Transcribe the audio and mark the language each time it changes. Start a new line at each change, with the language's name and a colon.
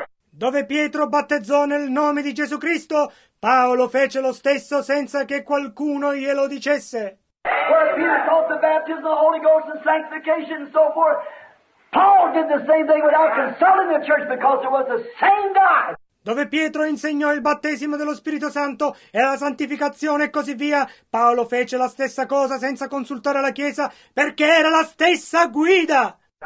Italian: Dove Pietro battezzò nel nome di Gesù Cristo, Paolo fece lo stesso senza che qualcuno glielo dicesse.
English: Where Peter taught the baptism of the Holy Ghost and sanctification and so forth, Paul did the same thing without consulting the church because it was the same God.
Italian: Dove Pietro insegnò il battesimo dello Spirito Santo e la santificazione e così via, Paolo fece la stessa cosa senza consultare la Chiesa perché era la stessa guida.